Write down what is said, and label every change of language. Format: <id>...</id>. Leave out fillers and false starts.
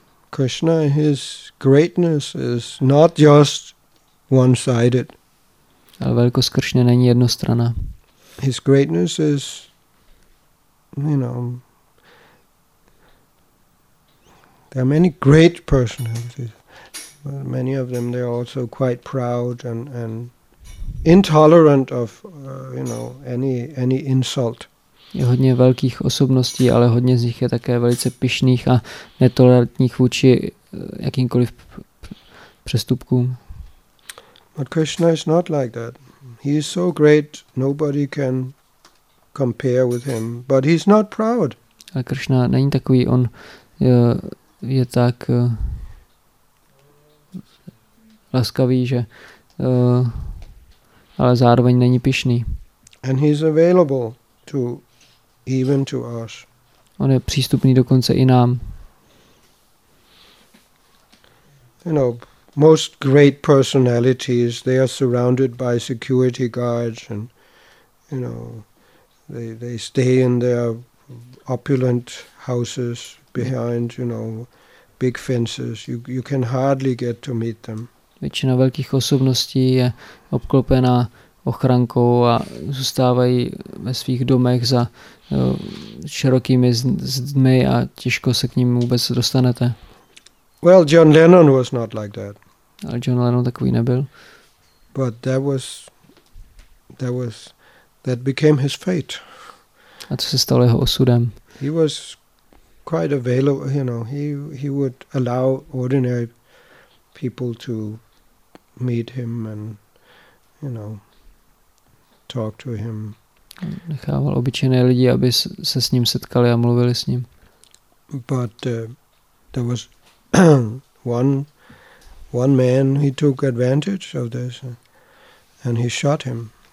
<en>Krishna, his greatness is not just one-sided.</en> <cs>Ale velikost Krishna není jednostranná.</cs> <en>His greatness is, you know, there are many great personalities, but many of them they are also quite proud and intolerant of, you know, any insult.</en> <cs>Je hodně velkých osobností, ale hodně z nich je také velice pyšných a netolerantních vůči jakýmkoliv přestupkům.</cs> <en>But Krishna is not like that. He is so great, nobody can compare with him, but he's not proud.</en> <cs>A Krishna není takový, on je tak laskavý, že ale zároveň není pyšný.</cs> <en>And he's available to even to us.</en> <cs>On je přístupný dokonce i nám.</cs> <en>You know, most great personalities, they are surrounded by security guards and, you know, they stay in their opulent houses behind, you know, big fences. You can hardly get to meet them.</en> <cs>Většina velkých osobností je obklopená ochrankou a zůstávají ve svých domech za širokými zdmi a těžko se k ním vůbec dostanete.</cs> <en>Well, John Lennon was not like that.</en> <cs>Ale John Lennon takový nebyl.</cs> <en>But that became his fate.</en> <cs>A co se stalo jeho osudem?</cs> <en>He was quite available, you know, he would allow ordinary people to meet him and, you know, talk to him.</en> <cs>Nechával obyčejné lidi, aby se s ním setkali a mluvili s ním.</cs> <en>But there was one man, he took advantage of this and he shot him.</en>